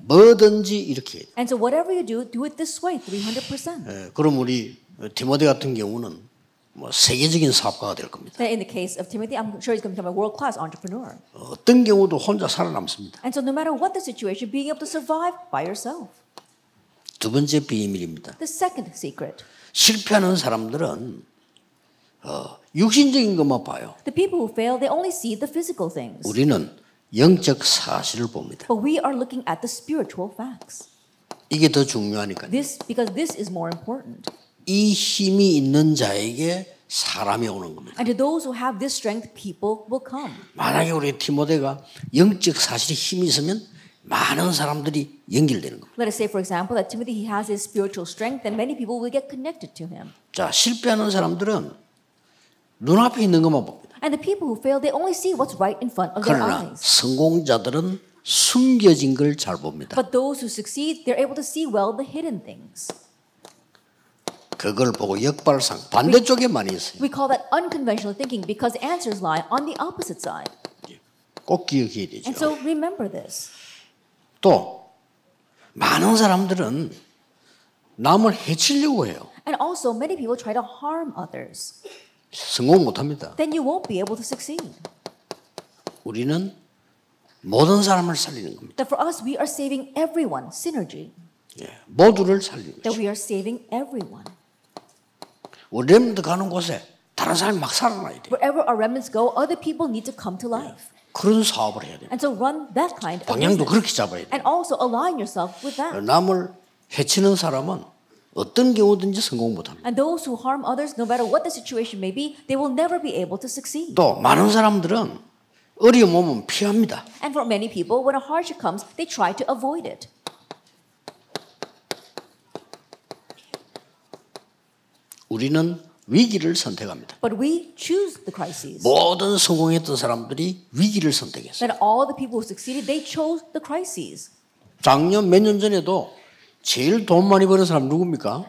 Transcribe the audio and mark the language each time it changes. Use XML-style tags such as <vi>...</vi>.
<ko>뭐든지 이렇게.</ko> <en>And so whatever you do, do it this way, 300%.</en> <ko>그럼 우리 디모데 같은 경우는 뭐 세계적인 사업가가 될 겁니다.</ko> <en>In the case of Timothy, I'm sure he's going to become a world-class entrepreneur.</en> <ko>어떤 경우도 혼자 살아남습니다.</ko> <en>And so no matter what the situation, being able to survive by yourself.</en> <ko>두 번째 비밀입니다.</ko> <en>The second secret.</en> <ko>실패하는 사람들은 육신적인 것만 봐요.</ko> <en>The people who fail, they only see the physical things.</en> <ko>우리는 영적 사실을 봅니다.</ko> <en>But we are looking at the spiritual facts.</en> <ko>이게 더 중요하니까요.</ko> <en>This, because this is more important.</en> <ko>이 힘이 있는 자에게 사람이 오는 겁니다.</ko> <en>And to those who have this strength, people will come.</en> <ko>만약에 우리 티모데가 영적 사실에 힘이 있으면 많은 사람들이 연결되는 겁니다.</ko> <en>Let us say, for example, that Timothy he has his spiritual strength, then many people will get connected to him.</en> <ko>자, 실패하는 사람들은 눈앞에 있는 것만 봅니다.</ko> <en>And the people who fail, they only see what's right in front of their eyes.</en> <ko>그러나 성공자들은 숨겨진 걸 잘 봅니다.</ko> <en>But those who succeed, they're able to see well the hidden things.</en> <ko>그걸 보고 역발상 반대쪽에 많이 있어요.</ko> <en>We call that unconventional thinking because answers lie on the opposite side.</en> <ko>꼭 기억해야 되죠.</ko> <en>And so remember this.</en> <ko>또 많은 사람들은 남을 해치려고 해요.</ko> <en>And also many people try to harm others.</en> <ko>성공 못 합니다.</ko> <en>Then you won't be able to succeed.</en> <ko>우리는 모든 사람을 살리는 겁니다.</ko> <en>That for us we are saving everyone. Synergy.</en> <ko>모두를 살리는 거죠.</ko> <en>That we are saving everyone.</en> <ko>우리 렘넌트 가는 곳에 다른 사람이 막 살아나야 돼.</ko> <en>Wherever our remnants go, other people need to come to life.</en> <ko>그런 사업을 해야 돼.</ko> <en>And so run that kind of</en> <ko>방향도</ko> <en>business.</en> <ko>그렇게 잡아야 돼.</ko> <en>And also align yourself with that.</en> <ko>남을 해치는 사람은 어떤 경우든지 성공 못 합니다.</ko> <en>And those who harm others, no matter what the situation may be, they will never be able to succeed.</en> <ko>또 많은 사람들은 어려움 오면 피합니다.</ko> <en>And for many people, when a hardship comes, they try to avoid it.</en> <ko>우리는 위기를 선택합니다.</ko> <en>But we choose the crises.</en> <ko>모든 성공했던 사람들이 위기를 선택했어요.</ko> <en>That all the people who succeeded, they chose the crises.</en> <ko>작년 몇 년 전에도 제일 돈 많이 버는 사람 누굽니까?</ko>